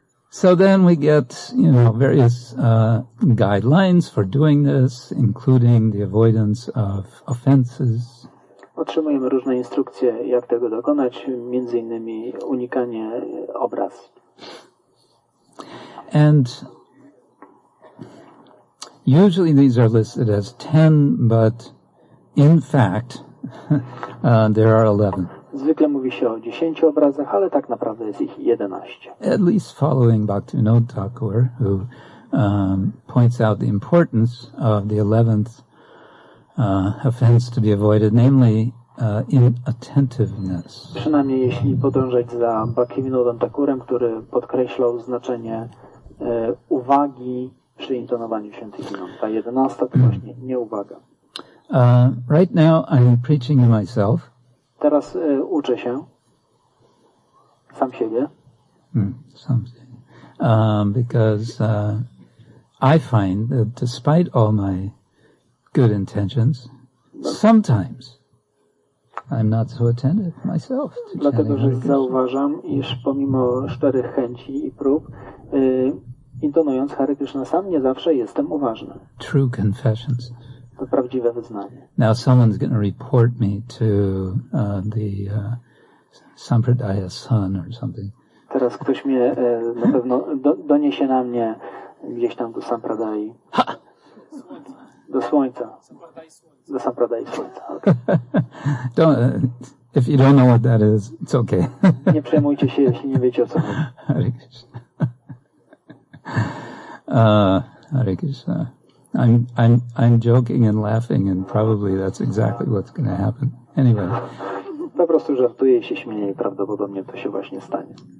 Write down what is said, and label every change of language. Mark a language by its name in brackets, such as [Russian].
[English] So then we get, you know, various guidelines for doing this, including the avoidance of offenses. [Polish] Otrzymujemy różne instrukcje, jak tego dokonać, między innymi unikanie obraz. [English] And usually these are listed as 10, but in fact, there are 11. [Polish] Zwykle mówi się o 10 obrazach, ale tak naprawdę jest ich 11. [English] At least following Bhaktivinoda Thakur, who points out the importance of the 11th offense to be avoided, namely inattentiveness. [Polish] Przynajmniej jeśli podążać za Bhaktivinoda Thakurem, który podkreślał znaczenie uwagi przy intonowaniu świętych imion. Ta 11 to właśnie nieuwaga. [English] Right now I'm preaching to myself. [Polish] Teraz uczę się sam siebie. [English] Because I find that despite all my good intentions, sometimes I'm not so attentive myself. [Polish] Dlatego, że zauważam, iż pomimo szczerych chęci i prób, intonując Hare Krishna, sam nie zawsze jestem uważny. [English] True confessions. [Polish] To prawdziwe wyznanie. [English] Now someone's going to report me to the Sampradaya son or something. [Polish] zaraz ktoś mnie na pewno doniesie na mnie gdzieś tam do Sampradai. Do słońca. Do Sampradai słońca. [English] Okay. Don't, if you don't know what that is, it's okay. [Polish] Nie przejmujcie się, jeśli nie wiecie, o co chodzi. [English] Hare Krishna. I'm joking and laughing, and probably that's exactly what's going to happen. Anyway. [Polish] Po prostu żartuję i się śmieję, prawdopodobnie to się właśnie stanie.